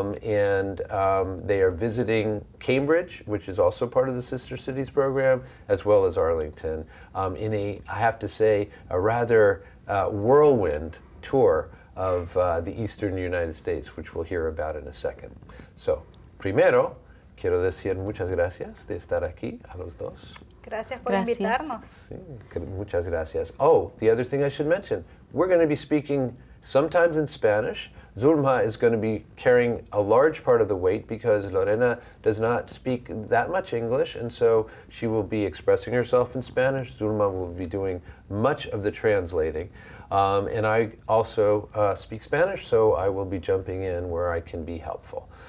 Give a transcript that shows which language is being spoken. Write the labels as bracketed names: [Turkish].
[English] They are visiting Cambridge, which is also part of the Sister Cities program, as well as Arlington, in a, I have to say, a rather whirlwind tour of the eastern United States, which we'll hear about in a second. [Spanish] So, primero, quiero decir muchas gracias de estar aquí a los dos. Gracias por invitarnos. Sí, muchas gracias. [English] Oh, the other thing I should mention, we're going to be speaking sometimes in Spanish. Zulma is going to be carrying a large part of the weight because Lorena does not speak that much English, and so she will be expressing herself in Spanish. Zulma will be doing much of the translating. And I also speak Spanish, so I will be jumping in where I can be helpful.